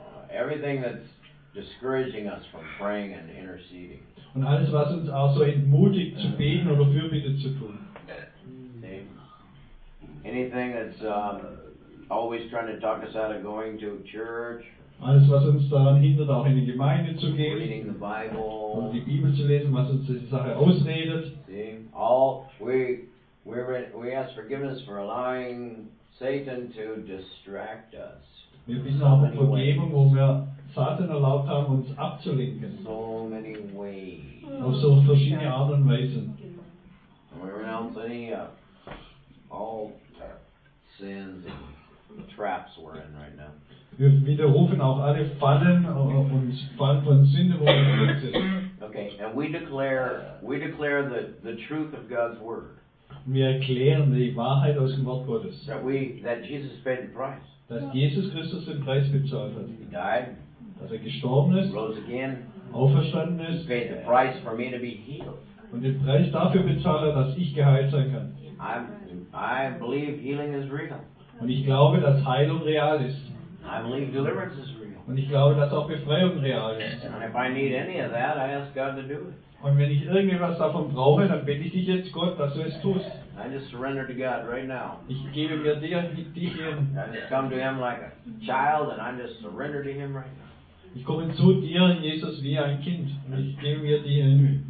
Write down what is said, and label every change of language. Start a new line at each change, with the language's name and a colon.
English: Everything that's discouraging us from praying and interceding.
German: Und alles, was uns auch so entmutigt zu beten oder Fürbitte zu tun.
English: Anything that's always trying to talk us out of going to church.
German: Alles, was uns daran hindert, auch in die Gemeinde zu gehen.
English: Reading the Bible.
German: Und die Bibel zu lesen, was uns diese Sache ausredet.
English: We ask forgiveness for allowing Satan to distract us.
German: Wir bitten auch um Vergebung, wo wir Satan erlaubt haben, uns abzulenken.
English: So many ways.
German: Auf so verschiedene Art und Weisen.
English: We renounce any all sins and traps we're in right now.
German: Wir widerrufen auch alle Fallen und Fallen von Sünde, wo wir drin sind.
English: Okay, and we declare the truth of God's word.
German: Wir erklären die Wahrheit aus dem Wort Gottes.
English: That Jesus paid the price.
German: Dass Jesus Christus den Preis bezahlt hat.
English: He died.
German: Dass er gestorben ist.
English: Rose again.
German: Auferstanden ist.
English: He paid the price for me to be healed.
German: Und den Preis dafür bezahlt hat, dass ich geheilt sein kann.
English: I believe healing is real.
German: Und ich glaube, dass Heilung real ist.
English: I believe deliverance is real.
German: Und ich glaube, dass auch Befreiung real ist.
English: And if I need any of that, I ask God to do it.
German: Und wenn ich irgendetwas davon brauche, dann bitte ich dich jetzt, Gott, dass du es tust.
English: I just surrender to God right now.
German: Ich gebe mir dich hin.
English: I just come to him like a child and I just surrender to him right now.
German: Ich komme zu dir, Jesus, wie ein Kind. Und ich gebe mir dich hin.